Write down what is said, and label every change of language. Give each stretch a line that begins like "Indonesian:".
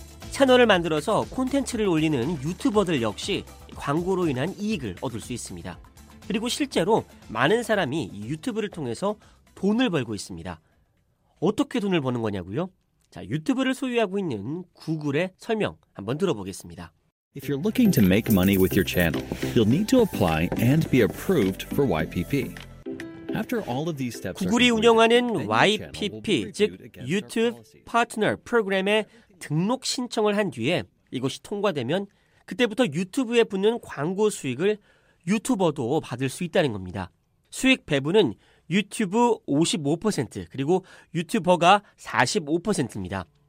Korean: 채널을 만들어서 콘텐츠를 올리는 유튜버들 역시 광고로 인한 이익을 얻을 수 있습니다. 그리고 실제로 많은 사람이 유튜브를 통해서 돈을 벌고 있습니다. 어떻게 돈을 버는 거냐고요? 자, 유튜브를 소유하고 있는 구글의 설명 한번 들어보겠습니다.
English: If you're looking to make money with your channel, you'll need to apply and be approved for YPP. After all of these steps,
Korean: 구글이 운영하는 YPP, 즉 YouTube Partner Program에 등록 신청을 한 뒤에 이것이 통과되면 그때부터 유튜브에 붙는 광고 수익을 유튜버도 받을 수 있다는 겁니다. 수익 배분은 유튜브 55% 그리고 유튜버가 45%입니다.